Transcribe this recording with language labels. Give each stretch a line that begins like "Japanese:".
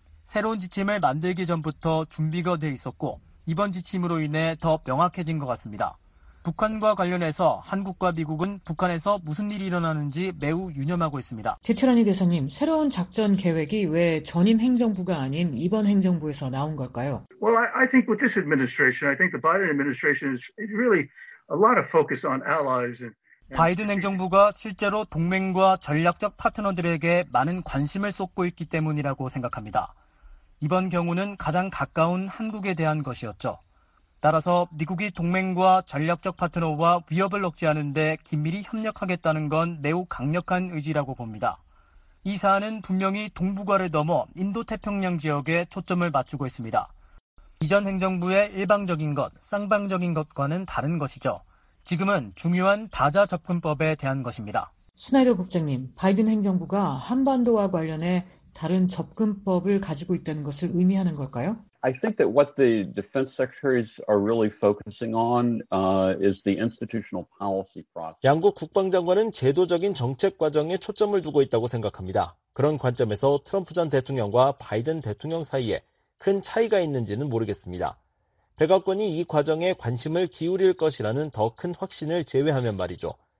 Korean: 새로운 지침을 만들기 전부터 준비가 돼 있었고 이번 지침으로 인해 더 명확해진 것 같습니다. 북한과 관련해서 한국과 미국은 북한에서 무슨 일이 일어나는지 매우 유념하고 있습니다. 최철원 대사님, 새로운 작전 계획이 왜 전임 행정부가 아닌 이번 행정부에서 나온 걸까요?
English: Well, I think with this administration, I think the Biden administration is really a lot of focus on allies and
Korean: 바이든 행정부가 실제로 동맹과 전략적 파트너들에게 많은 관심을 쏟고 있기 때문이라고 생각합니다. 이번 경우는 가장 가까운 한국에 대한 것이었죠. 따라서 미국이 동맹과 전략적 파트너와 위협을 억제하는 데 긴밀히 협력하겠다는 건 매우 강력한 의지라고 봅니다. 이 사안은 분명히 동북아를 넘어 인도태평양 지역에 초점을 맞추고 있습니다. 이전 행정부의 일방적인 것, 쌍방적인 것과는 다른 것이죠. 지금은 중요한 다자접근법에 대한 것입니다. 스나이더 국장님, 바이든 행정부가 한반도와 관련해 다른 접근법을 가지고 있다는 것을 의미하는 걸까요?
English: I think that what the defense secretaries are really focusing on is the institutional policy process.
Korean: 양국 국방장관은 제도적인 정책 과정에 초점을 두고 있다고 생각합니다. 그런 관점에서 트럼프 전 대통령과 바이든 대통령 사이에 큰 차이가 있는지는 모르겠습니다. 백악관이 이 과정에 관심을 기울일 것이라는 더 큰 확신을 제외하면 말이죠.